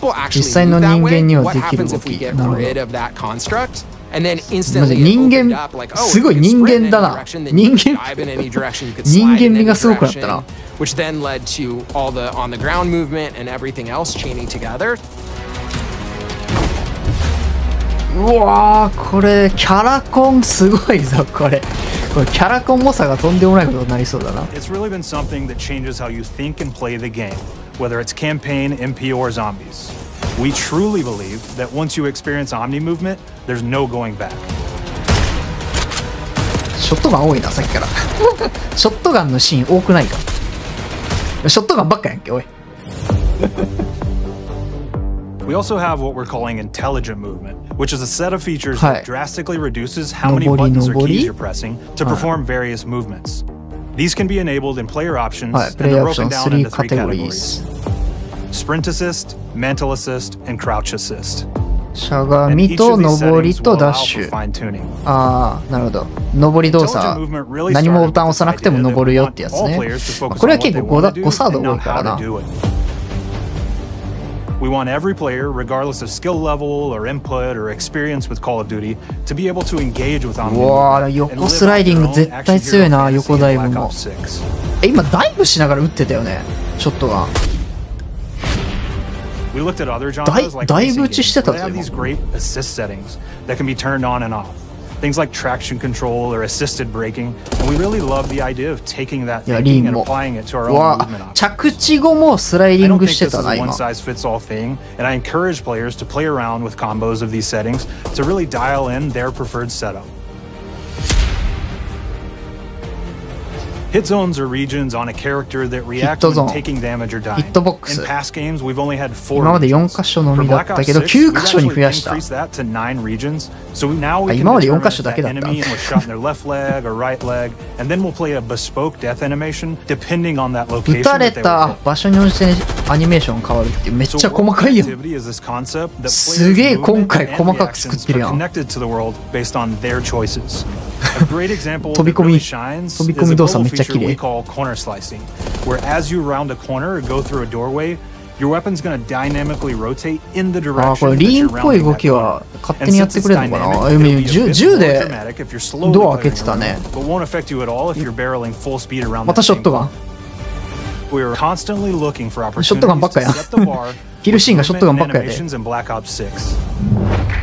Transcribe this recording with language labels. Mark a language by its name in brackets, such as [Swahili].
[Japanese] 実際の人間にはできる動き。なるほど。まず人間、すごい人間だな。人間、人間味がすごくなったな。 [English] Which then led to all the on the ground movement and everything else chaining together。 [Japanese] うわー、これキャラコンすごいぞこれ。これキャラコン重さがとんでもないことになりそうだな。 [English] It's really been something that changes how you think and play the game. Whether it's campaign, MP, or zombies, we truly believe that once you experience Omni movement, there's no going back. [Japanese] ショットガン多いなさっきから。ショットガンのシーン多くないか。ショットガンばっかやんけおい。 [English] We also have what we're calling intelligent movement, which is a set of features that drastically reduces how many buttons or keys you're pressing to perform various movements. These can be enabled in player options、 [Japanese] はい、プレイアクション3カテゴリーです。スプリントアシスト、メンタルアシスト、クラウチアシスト。しゃがみと上りとダッシュ。ああ、なるほど。上り動作、何もボタン押さなくても上るよってやつね。これは結構 5サード多いからな。 [English] We want every player, regardless of skill level or input or experience with Call of Duty, to be able to engage with Omni. [Japanese] わあ、横スライディング絶対強いな、横ダイブも。え、今ダイブしながら打ってたよね、ショットガン。 [English] We looked at other genres like [Japanese] ダイブ打ちしてたぞ。 [English] They have these great assist settings that can be turned on and off. Things like traction control or assisted braking. And we really love the idea of taking that thing and applying it to our own movement options. [Japanese] 着地後もスライディングしてたな今。 [English] I don't think this is one size fits all thing, and I encourage players to play around with combos of these settings to really dial in their preferred setup. Hit zones are regions on a character that react to taking damage or dying. [Japanese] ヒットボックス。 [English] In past games, we've only had 4 regions. [Japanese] 今まで4カ所のみだったけど、9カ所に増やした。今まで4カ所だけだった。撃たれた場所に応じてアニメーション変わるっていう、めっちゃ細かいやん。すげえ今回細かく作ってるやん。飛び込み、飛び込み動作めっちゃ綺麗。 [English] corner slicing, where as you round a corner or go through a doorway,Your weapon's gonna dynamically rotate in the direction [Japanese] これリーンっぽい動きは勝手にやってくれるのかな。銃でドア開けてたね。 [English] But won't affect you at all if you're barreling full speed around. [Japanese] またショットガン。 [English] We're constantly looking for opportunities. [Japanese] ショットガンばっかやん。キルシーンがショットガンばっかやで。